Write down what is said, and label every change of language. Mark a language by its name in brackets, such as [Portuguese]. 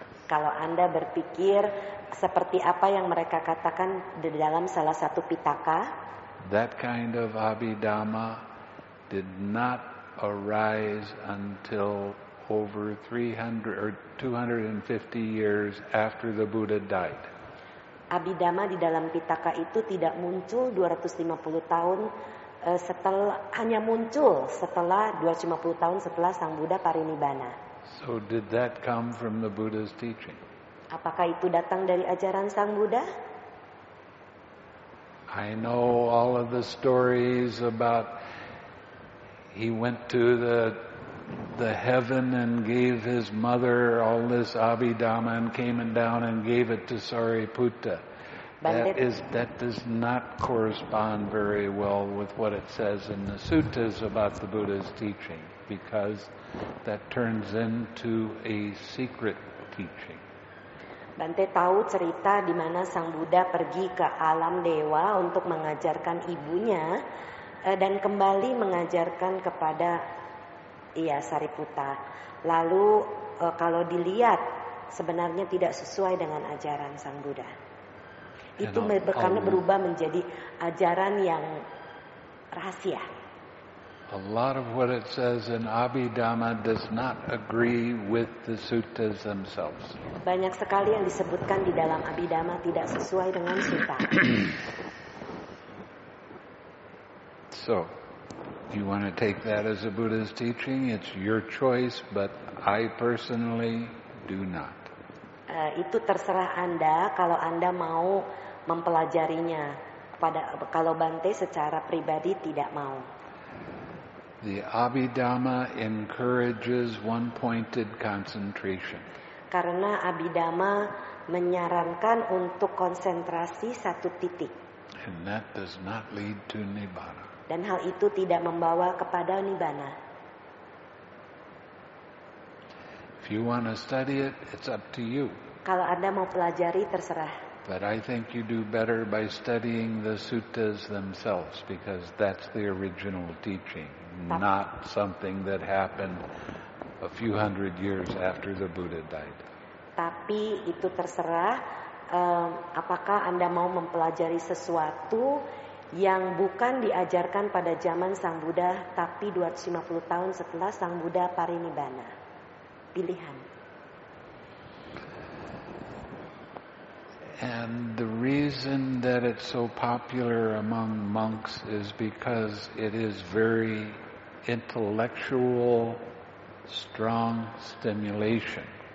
[Indonesian] Kalau Anda berpikir seperti apa yang mereka katakan di dalam salah satu pitaka, [English] that kind of Abhidhamma did not arise until over 250 years after the Buddha died. [Indonesian] Abhidhamma di dalam pitaka itu tidak muncul 250 tahun hanya muncul setelah 250 tahun setelah Sang Buddha parinibbana. [English] So did that come from the Buddha's teaching? [Indonesian] Apakah itu datang dari ajaran Sang Buddha? [English] I know all of the stories about he went to the heaven and gave his mother all this Abhidhamma and came and down and gave it to Sariputta. That does not correspond very well with what it says in the suttas about the Buddha's teaching, because that turns into a secret teaching. [Indonesian] Bante tahu cerita di mana Sang Buddha pergi ke alam dewa untuk mengajarkan ibunya dan kembali mengajarkan kepada Sariputta. Lalu kalau dilihat sebenarnya tidak sesuai dengan ajaran Sang Buddha. Itu karena berubah menjadi ajaran yang rahasia. [English] A lot of what it says in Abhidhamma does not agree with the suttas themselves. [Indonesian] Banyak sekali yang disebutkan di dalam Abhidhamma tidak sesuai dengan sutta. [English] So, you want to take that as a Buddha's teaching? It's your choice, but I personally do not. [Indonesian] Itu terserah Anda kalau Anda mau mempelajarinya. Kalau Bante secara pribadi tidak mau. [English] The Abhidhamma encourages one-pointed concentration. [Indonesian] Karena Abhidhamma menyarankan untuk konsentrasi satu titik. [English] And that does not lead to Nibbana. [Indonesian] Dan hal itu tidak membawa kepada Nibbana. [English] If you want to study it, it's up to you. [Indonesian] Kalau Anda mau pelajari, terserah. [English] But I think you do better by studying the suttas themselves, because that's the original teaching, not something that happened a few hundred years after the Buddha died. [Indonesian] Tapi itu terserah apakah Anda mau mempelajari sesuatu yang bukan diajarkan pada zaman Sang Buddha, tapi 250 tahun setelah Sang Buddha parinibbana. Pilihan. [English] And the reason that it's so popular among monks is because it is very intellectual, strong stimulation.